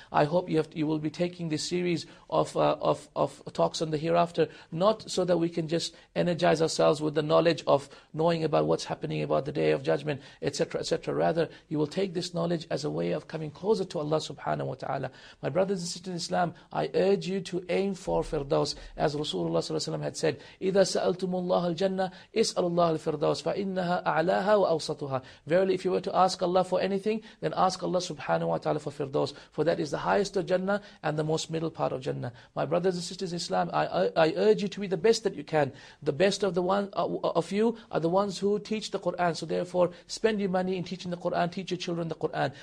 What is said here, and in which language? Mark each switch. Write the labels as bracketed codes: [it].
[en] I hope you will be taking this series of talks on the hereafter, not so that we can just energize ourselves with the knowledge of knowing about what's happening, about the day of judgment, etc., etc. Rather, you will take this knowledge as a way of coming closer to Allah subhanahu wa ta'ala. My brothers and sisters in Islam, I urge you to aim for Firdaus, as Rasulullah s.a.w. had said, [ar] إِذَا سَأَلْتُمُ اللَّهَ الْجَنَّةِ اسْأَلُ اللَّهَ الْفِرْدَوْسِ فَإِنَّهَا أَعْلَاهَا وَأَوْسَطُهَا. [en] Verily, if you were to ask Allah for anything, then ask Allah subhanahu wa ta'ala for Firdaus, for that is the highest of Jannah and the most middle part of Jannah. My brothers and sisters in Islam, I urge you to be the best that you can. The best of the one of you are the ones who teach the Quran. So therefore, spend your money in teaching the Quran, teach your children the Quran.